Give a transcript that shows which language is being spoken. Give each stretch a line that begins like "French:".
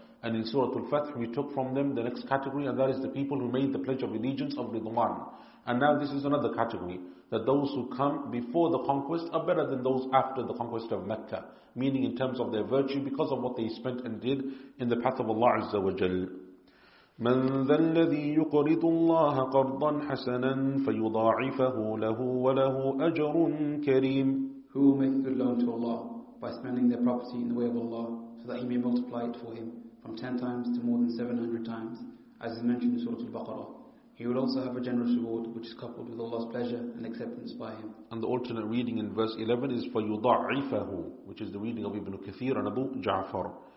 English: And in Surah Al-Fath, we took from them the next category, and that is the people who made the pledge of allegiance of Ridwan. And now this is another category, that those who come before the conquest are better than those after the conquest of Mecca, meaning in terms of their virtue because of what they spent and did in the path of Allah Azza wa Jal.
Arabic: من ذا الذي يقرض الله قرضا حسنا فيضاعفه له وله أجر كريم.
English: Who will make a good loan to Allah by spending their property in the way of Allah so that he may multiply it for him from 10 times to more than 700 times, as is mentioned in Surah Al-Baqarah. He will also have a generous reward which is coupled with Allah's pleasure and acceptance by him. And the alternate reading in verse 11 is فيضاعفه, which is the reading of Ibn Kathir and Abu Ja'far.